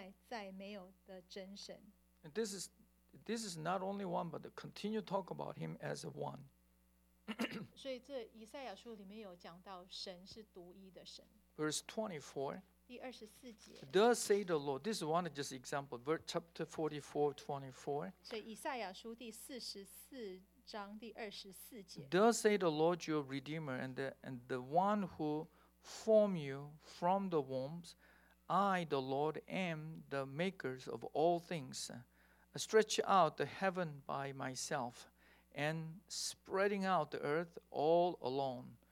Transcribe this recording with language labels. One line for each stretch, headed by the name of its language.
Chinese: 这里神说我是首先的，我是末后的，除我以外再没有的真神。
English: This is not only one, but continue talk about him as one.
Chinese: 所以这以赛亚书里面有讲到神是独一的神。
English: Verse 24.
Chinese: 第24节。
English: Thus say the Lord. This is one just example. Verse chapter 44:24.
Chinese: 所以以赛亚书第44章第24节。
English: Thus say the Lord, your Redeemer, and the one who form you from the wombs. I, the Lord, am the makers of all things. I stretch out the heaven by myself and spreading out the earth all alone.